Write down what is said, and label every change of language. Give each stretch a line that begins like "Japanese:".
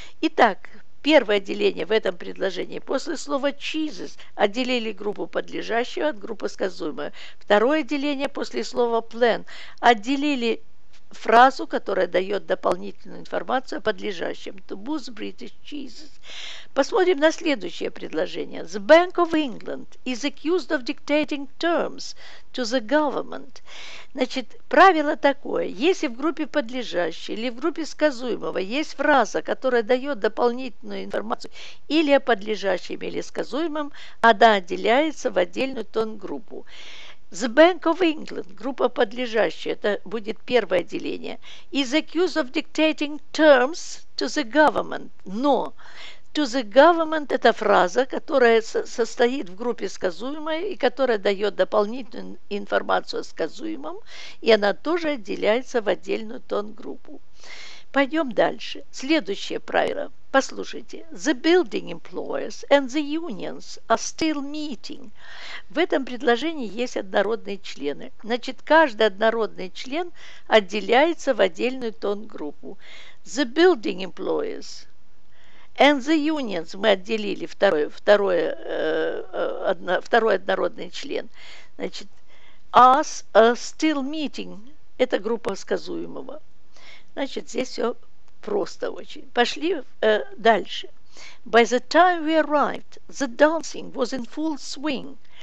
Russian: Итак, первое деление в этом предложении. После слова cheeses отделили группу подлежащего от группы сказуемой. Второе деление после слова plan отделили фразу, которая дает дополнительную информацию о подлежащем.
English: To boost British cheeses.
Russian: Посмотрим на следующее предложение.
English: The Bank of England is accused of dictating terms to the government.
Russian: Значит, правило такое. Если в группе подлежащей или в группе сказуемого есть фраза, которая дает дополнительную информацию или о подлежащем, или сказуемом, она отделяется в отдельную тон-группу.
English: The Bank of England,
Russian: группа подлежащая, это будет первое деление,
English: is accused of dictating terms to the government.
Russian: Но
English: to the government
Russian: – это фраза, которая состоит в группе сказуемой и которая дает дополнительную информацию о сказуемом, и она тоже отделяется в отдельную тон-группу. Пойдем дальше. Следующее правило. Послушайте.
English: The building employers and the unions are still meeting.
Russian: В этом предложении есть однородные члены. Значит, каждый однородный член отделяется в отдельную тон-группу.
English: The building employers and the unions.
Russian: Мы отделили второй однородный член. Значит,
English: us are still meeting.
Russian: Это группа сказуемого. Значит, здесь все просто очень. Пошли дальше.
English: By the time we arrived, the dancing was in full swing.